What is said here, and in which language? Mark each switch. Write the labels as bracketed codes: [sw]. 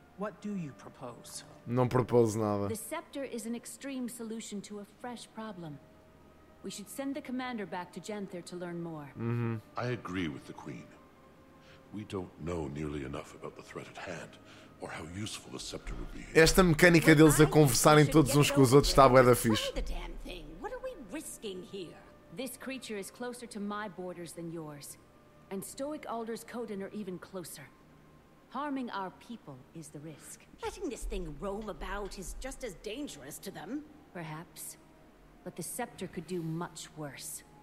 [en] What do you propose? [pt] Não propose nada. [en] The scepter is an extreme solution to a fresh problem. We should send the commander back to Janthyr to learn more. Mm-hmm. I agree with the queen. We don't know nearly enough about the threat at hand or how useful the scepter would be. [pt] Esta mecânica deles a conversarem todos uns com os outros está bué da fixe. [en] The damn thing. What are we risking here? This creature is closer to my borders than yours. And Stoic Alder's Coden are even closer. Harming our people is the risk. Letting this thing roam about is just as dangerous to them. Perhaps. But the scepter could do much worse.